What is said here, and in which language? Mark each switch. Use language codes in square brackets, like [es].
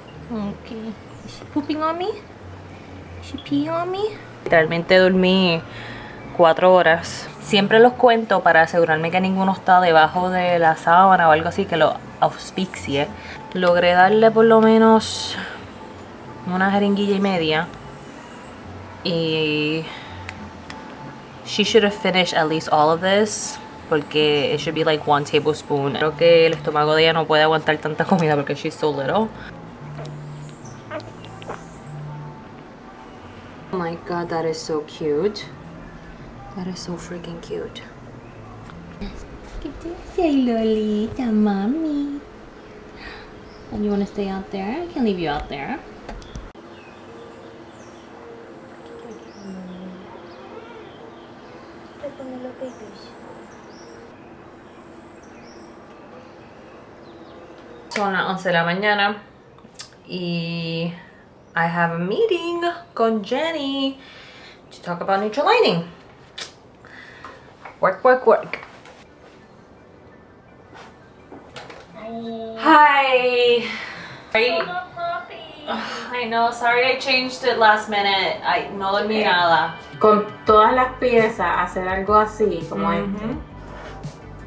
[en] Okay. Is she pooping on me? She pee on me? [es] Literalmente dormí 4 horas. Siempre los cuento para asegurarme que ninguno está debajo de la sábana o algo así, que lo asfixie. Logré darle por lo menos una jeringuilla y media. [en] Y she should have finished at least all of this, porque it should be like 1 tablespoon. [es] Creo que el estómago de ella no puede aguantar tanta comida porque [en] she's so little. Oh my god, that is so cute. That is so freaking cute. [es] ¿Qué te dice Lolita, mami? [en] And you want to stay out there? I can leave you out there. [es] Son las 11 de la mañana y [en] I have a meeting con Jenny to talk about Nutrilining. Work, work, work. Hi. Hi. I know, sorry I changed it last minute. [es] I no dormí nada. Con todas las piezas, hacer algo así, como mm-hmm.